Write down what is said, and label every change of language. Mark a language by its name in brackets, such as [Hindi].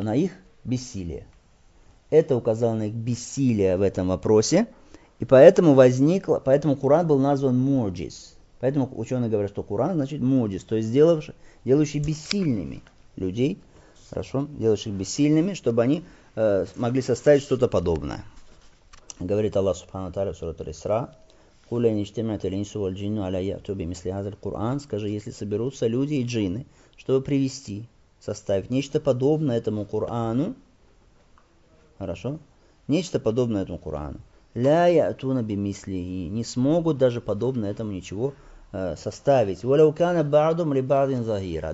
[Russian] На их бессилие. Это указало на их бессилие в этом вопросе. И поэтому возникло, поэтому Куран был назван муджиз. Поэтому ученые говорят, что Куран значит муджиз, то есть делающий бессильными людей, хорошо, делающих бессильными, чтобы они могли составить что-то подобное. Говорит Аллах Субхану ва Тааля в сурате Исра, [Arabic] قُلَ إِنِ اجْتَمَعَتِ الْإِنْسُ وَالْجِنُّ عَلَى يَأْتُوا بِمِثْلِ هَذَا الْقُرْآنِ. [Russian] Скажи, если соберутся люди и джинны, чтобы привести, составить нечто подобное этому Корану, хорошо, нечто подобное этому Корану, [Arabic] لَا يَأْتُونَ بِمِثْلِهِ, [Russian] не смогут даже подобное этому ничего составить. [Arabic] وَلَوْ كَانَ بَعْدُمْ لِبَعْدٍ ظَهِيرًا.